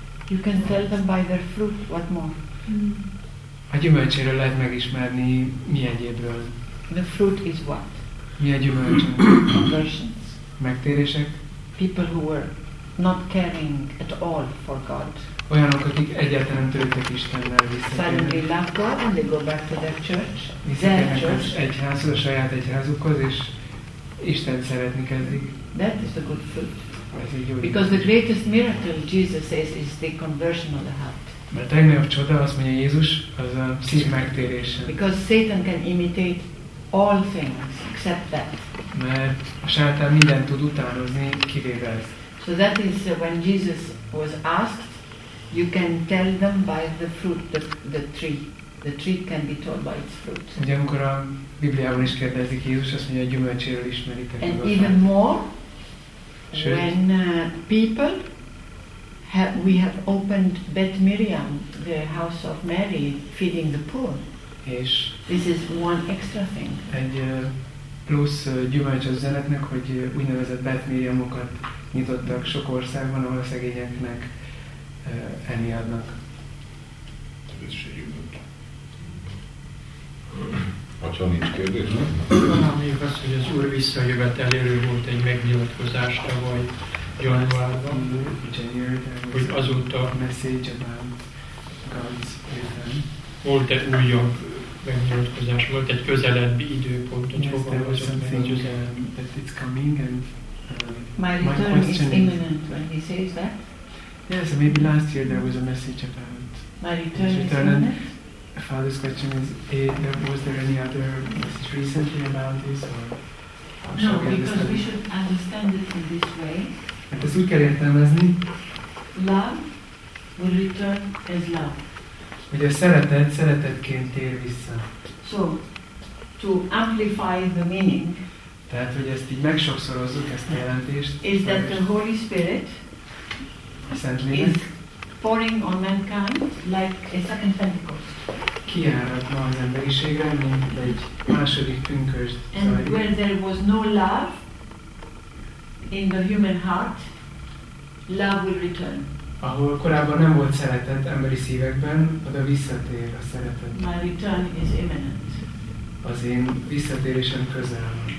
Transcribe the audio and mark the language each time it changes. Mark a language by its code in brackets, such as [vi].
[en] You can tell them by their fruit, what more? [hu] A gyümölcséről lehet megismerni, mi egyébről. [en] The fruit is what? [hu] Mi a gyümölcs? [en] Conversions. [hu] Megtérések. [en] People who were not caring at all for God. [hu] Olyanok, akik egyáltalán nem törődtek Istennel, visszatérnek. [en] Suddenly love God and they go back to their church. [hu] Visszatérnek az egyházhoz, a saját egyházukhoz, és Istent szeretni kezdik. [en] That is the good fruit. [hu] Ez egy jó. [en] Because the greatest miracle, Jesus says, is the conversion of the heart. [hu] Mert a legnagyobb csoda, azt mondja Jézus, az a szív megtérése. [en] Because Satan can imitate all things except that. [hu] Mert a sátán mindent tud utánozni, kivéve ezt. [en] So that is when Jesus was asked, you can tell them by the fruit, the tree. The tree can be told by its fruit. [hu] Ugye amikor a Bibliában is kérdezik Jézus, azt mondja, a gyümölcséről ismeritek. [en] And even more, [hu] sőt, [en] when people, we have opened Beth Miriam, the house of Mary, feeding the poor. [hu] És [en] this is one extra thing. [hu] Egy plusz gyümölcs az üzenetnek, hogy úgynevezett Beth Miriamokat nyitottak sok országban, ahol a szegényeknek enni adnak. Ez is egy gyümölcs. Atya, nincs kérdés, nem? Van, mondjuk azt, hogy az Úr visszajövetelére volt egy megnyilatkozásra, vagy januárban, hogy azóta [en] message about God's return. [hu] Volt egy újabb megnyilatkozás, volt egy közelebbi időpont, hogy [en] yes, [hu] fogalmazott meg az [en] that it's coming and my return is imminent, when he says that. Yes, maybe last year there was a message about my return is imminent. Father's question is, was there any other message recently about this? Or no, we because we should understand it in this way. [hu] Hát ezt úgy kell értelmezni. [en] Love will return as love. [hu] Hogy a szeretet szeretetként tér vissza. [en] So, to amplify the meaning. [hu] Tehát, hogy ezt így megsokszorozzuk, ezt a jelentést. [en] Is that the Holy Spirit is pouring on mankind like a second Pentecost. [hu] Kiáradna az emberiségre, mint egy második pünkösd. [en] And where there was no love in the human heart, love will return. [hu] Ahol korábban nem volt szeretet emberi szívekben, oda visszatér a szeretet. [en] My return is imminent. [hu] Az én visszatérésem közel.